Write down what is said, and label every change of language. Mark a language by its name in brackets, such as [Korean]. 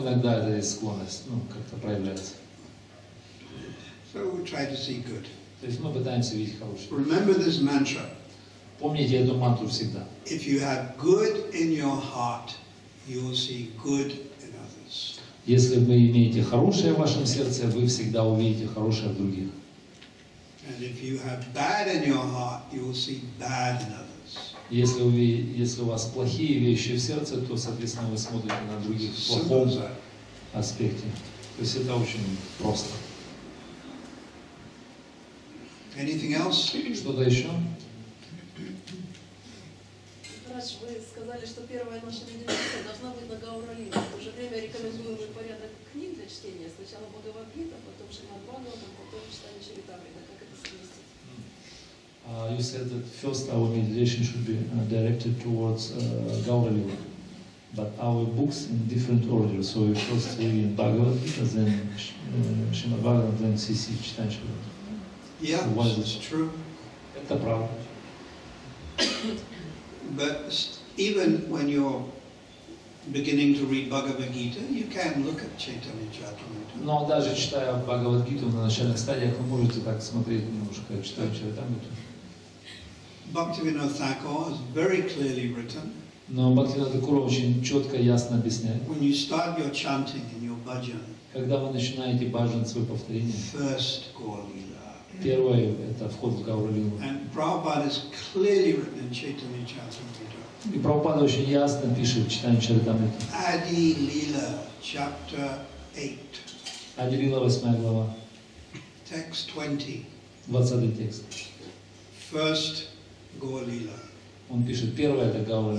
[Russian] иногда это есть склонность, ну, как-то проявляется. [English] So we try to see good. [Russian] То есть мы пытаемся видеть хорошее. [English] Remember this mantra. [Russian] Помните эту мантру всегда. [English] If you have good in your heart, you will see good in others. [Russian] Если вы имеете хорошее в вашем сердце, вы всегда увидите хорошее в других. [English] And if you have bad in your heart, you will see bad in others. [Russian] Если у вас плохие вещи в сердце, то, соответственно, вы смотрите на других в плохом аспекте. То есть это очень просто. [English] Anything else? [Russian] Что-то еще? Вы сказали, что первая наша медитация должна быть на Гауралинге. В то же время рекомендуемый порядок книг для чтения. Сначала Бхагавад-гита, потом Шримад-бхагаватам, потом читание Чаритамрита. Как это совместить? [English] You said that first our meditation should be directed towards Gauravila. But our books in different order. So we first read Bhagavad Gita, then Shrimad Bhagavatam, then CC Chaitanya Charitamrita. Yeah, so why that's true. [Russian] Это правда. [English] But even when you're beginning to read Bhagavad Gita, you can look at Chaitanya Charitamrita. [Russian] Но даже читая Бхагавад Гиту на начальных стадиях, вы можете так смотреть немножко, читая Чаритамриту. [English] Bhaktivinoda Thakur is very clearly written. [Russian] Но Бхактивинода Тхакура очень четко и ясно объясняет. [English] When you start your chanting in your bhajan. [Russian] Когда вы начинаете bhajan свое повторение. [English] First Gaura-lila. [Russian] Первое это вход в Гауралилу. [English] And Prabhupada is clearly written in Chaitanya Charitamrita. [Russian] И Прабхупада очень ясно пишет в Чайтанья Чаритамрите. [English] Adi Lila, chapter 8. [Russian] Adi Lila, 8 глава. [English] Text 20. [Russian] 20 текст. [English] First Gaura-lila. [Russian] Он пишет, первое это Гаура-лила.